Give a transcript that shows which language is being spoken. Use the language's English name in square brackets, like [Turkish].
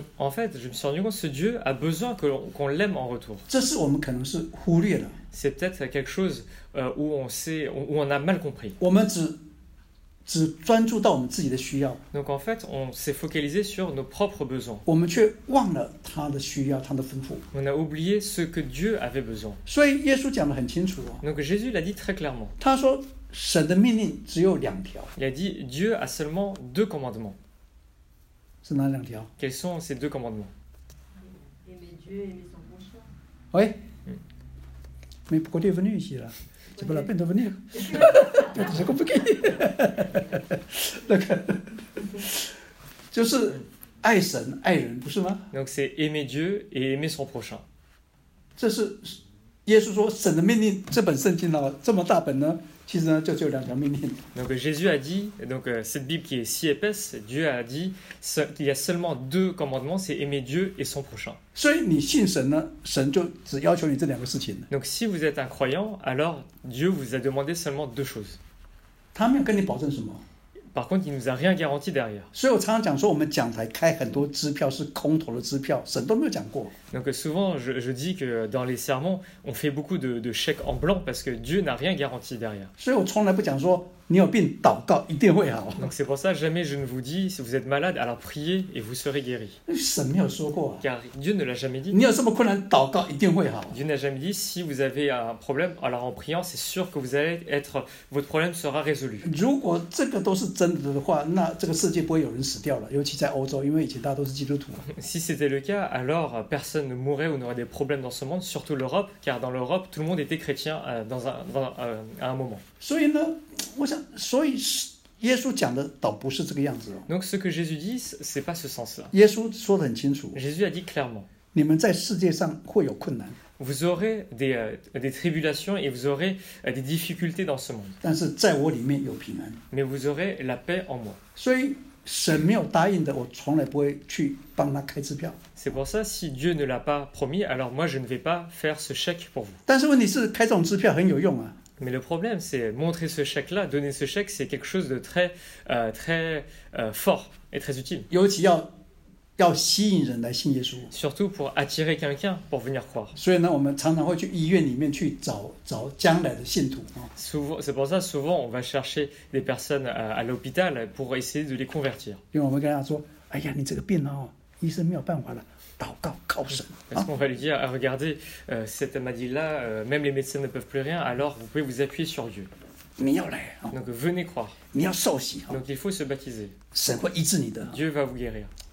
[French] Donc, en fait, je me suis rendu compte que Dieu a besoin qu'on l'aime en retour. [Chinese] 这是我们可能是忽略的。 [French] C'est peut-être quelque chose où on a mal compris. [Chinese] 我们只专注到我们自己的需要。 [French] Donc en fait, on s'est focalisé sur nos propres besoins. [Chinese] 我们却忘了他的需要，他的吩咐。 [French] On a oublié ce que Dieu avait besoin. [Chinese] 所以耶稣讲得很清楚。 [French] Donc Jésus l'a dit très clairement. [Chinese] 他说神的命令只有两条。 [French] Il a dit Dieu a seulement deux commandements. [Chinese] 是哪两条？ [French] Quels sont ces deux commandements? Aimer Dieu, aimer son prochain. Oui. Mais pourquoi tu es venu ici là? C'est pas la peine de venir. C'est compliqué. 就是 [Chinese] 爱神爱人，不是吗？ [French] Donc c'est aimer Dieu et aimer son prochain. [Chinese] 这是耶稣说神的命令，这本圣经呢，这么大本呢，其实呢就只有两条命令。 [French] Donc Jésus a dit, donc cette Bible qui est si épaisse, Dieu a dit qu'il y a seulement deux commandements, c'est aimer Dieu et son prochain. [Chinese] 所以你信神呢，神就只要求你这两个事情。 [French] Donc si vous êtes un croyant, alors Dieu vous a demandé seulement deux choses. [Chinese] 他没有跟你保证什么。 [French] Par contre, il ne nous a rien garanti derrière. [Chinese] 所以我常常讲说，我们讲台开很多支票是空头的支票，神都没有讲过。 [French] Donc souvent, je dis que dans les sermons, on fait beaucoup de chèques en blanc parce que Dieu n'a rien garanti derrière. [Chinese] 所以我从来不讲说你有病，祷告一定会好。 [French] Donc c'est pour ça, jamais je ne vous dis si vous êtes malade, alors priez et vous serez guéri. [Chinese] 神没有说过。 [French] Car Dieu ne l'a jamais dit. [Chinese] 你有什么困难，祷告一定会好。 [French] Dieu n'a jamais dit si vous avez un problème, alors en priant, c'est sûr que vous allez être, votre problème sera résolu. [Chinese] 如果这个都是真的的话，那这个世界不会有人死掉了，尤其在欧洲，因为以前大家都是基督徒。 [French] Si c'était le cas, alors personne ne mourrait ou n'aurait des problèmes dans ce monde, surtout l'Europe, car dans l'Europe, tout le monde était chrétien à un moment. [Chinese] 所以呢，我想，所以耶稣讲的倒不是这个样子哦。 [French] Donc ce que Jésus dit, c'est pas ce sens-là. [Chinese] 耶稣说得很清楚。 [French] Jésus a dit clairement. [Chinese] 你们在世界上会有困难。 [French] Vous aurez des tribulations et vous aurez des difficultés dans ce monde. [Chinese] 但是在我里面有平安。 [French] Mais vous aurez la paix en moi. [Chinese] 所以神没有答应的，我从来不会去帮他开支票。 [French] C'est pour ça, si Dieu ne l'a pas promis, alors moi je ne vais pas faire ce chèque pour vous. [Chinese] 但是问题是，开这种支票很有用啊。 [French] Mais le problème, c'est montrer ce chèque-là, donner ce chèque, c'est quelque chose de très, très fort et très utile. [Chinese] 尤其要吸引人来信耶稣。 [French] Surtout pour attirer quelqu'un pour venir croire. [Chinese] 所以呢，我们常常会去医院里面去找将来的信徒。 [French] Souvent, c'est pour ça, souvent, on va chercher des personnes à l'hôpital pour essayer de les convertir. [Chinese] 因为我们跟他说，哎呀，你这个病哦，医生没有办法了。 [French] Parce qu'on va lui dire, regardez, cette maladie-là, même les médecins ne peuvent plus rien, alors vous pouvez vous appuyer sur Dieu. Donc venez croire. Donc il faut se baptiser. Dieu va vous guérir.